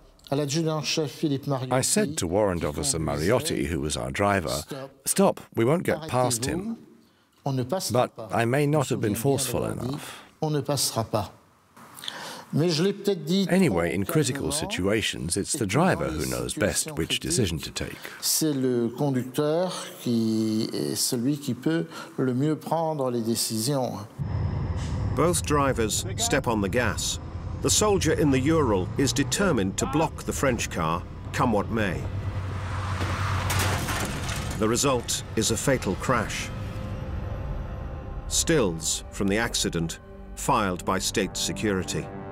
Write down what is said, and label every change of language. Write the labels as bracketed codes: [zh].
[en] I said to Warrant Officer Mariotti, who was our driver, stop, we won't get past him. But I may not have been forceful enough. Anyway, in critical situations, it's the driver who knows best which decision to take. [fr] C'est le conducteur qui est celui qui peut le mieux prendre les décisions. [en] Both drivers step on the gas. The soldier in the Ural is determined to block the French car, come what may. The result is a fatal crash. Stills from the accident filed by state security.